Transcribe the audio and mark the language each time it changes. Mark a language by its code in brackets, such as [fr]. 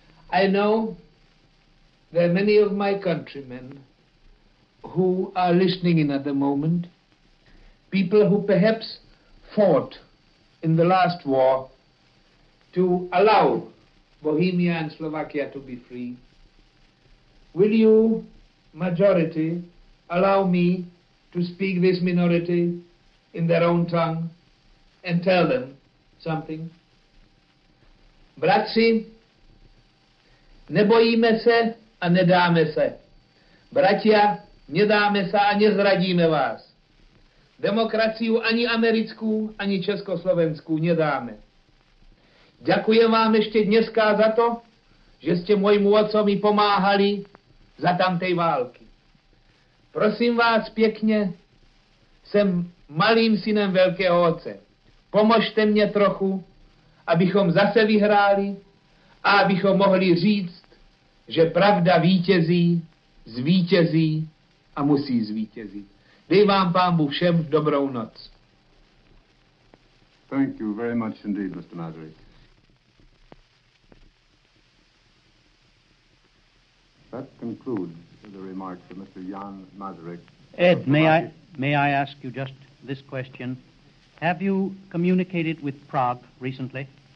[en] I know there are many of my countrymen who are listening in at the moment, people who perhaps fought in the last war to allow Bohemia and Slovakia to be free. Will you, majority, allow me to speak this minority in their own tongue and tell them something? [cs] Bratři, nebojíme se a nedáme se. Bratia, nedáme se a nezradíme vás. Demokraciu ani americkou, ani československou nedáme. [sk] Ďakujem vám ešte dneska za to, že ste môjmu otcovi pomáhali za tamtej války. Prosím vás pekne, som malým synem veľkého otce. [cs] Pomožte mne trochu, abychom zase vyhráli a abychom mohli říct, že pravda vítězí, zvítězí a musí zvítězit. Dej vám pán Bůh všem dobrou noc. [en] Thank you very much indeed, Mr. Masaryk. That concludes the remarks of Mr. Jan Masaryk, Ed, may I ask you just this question? Have you communicated with Prague recently?